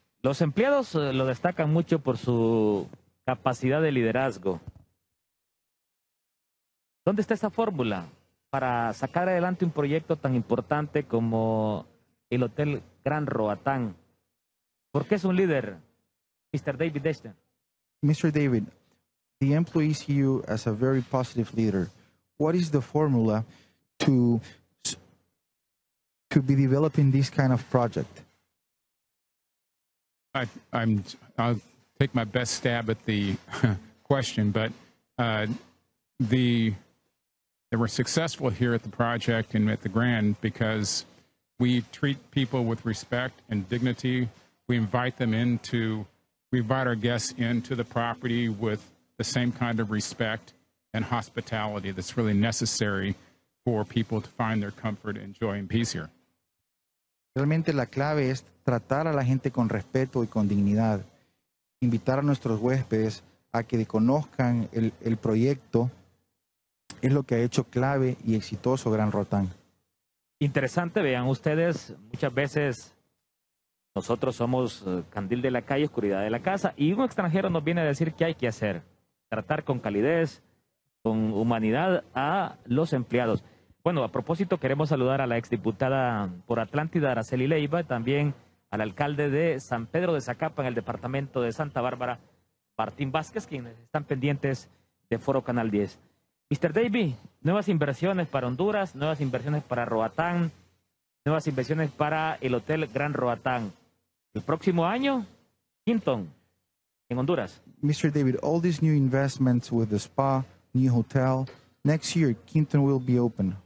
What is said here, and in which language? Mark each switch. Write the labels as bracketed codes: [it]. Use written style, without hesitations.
[es] Los empleados lo destacan mucho por su capacidad de liderazgo. ¿Dónde está esa fórmula para sacar adelante un proyecto tan importante como el Hotel Gran Roatán? ¿Por qué es un líder, Mr. David Eisner? [en] Mr. David, the employees see you as a very positive leader. What is the formula to be developing this kind of project? I'll take my best stab at the question, but they were successful here at the project and at the Grand because we treat people with respect and dignity. We invite our guests into the property with the same kind of respect and hospitality that's really necessary for people to find their comfort and joy and peace here. [es] Realmente la clave es tratar a la gente con respeto y con dignidad, invitar a nuestros huéspedes a que conozcan el proyecto es lo que ha hecho clave y exitoso Gran Rotán. Interesante, vean ustedes, muchas veces nosotros somos candil de la calle, oscuridad de la casa, y un extranjero nos viene a decir qué hay que hacer, tratar con calidez, con humanidad a los empleados. Bueno, a propósito, queremos saludar a la exdiputada por Atlántida, Araceli Leiva, también al alcalde de San Pedro de Zacapa, en el departamento de Santa Bárbara, Martín Vázquez, quienes están pendientes de Foro Canal 10. Mr. Davey, nuevas inversiones para Honduras, nuevas inversiones para Roatán, nuevas inversiones para el Hotel Gran Roatán. El próximo año, Hinton, en Honduras. [en] Mr. David, all these new investments with the spa, new hotel, next year, Hinton will be open.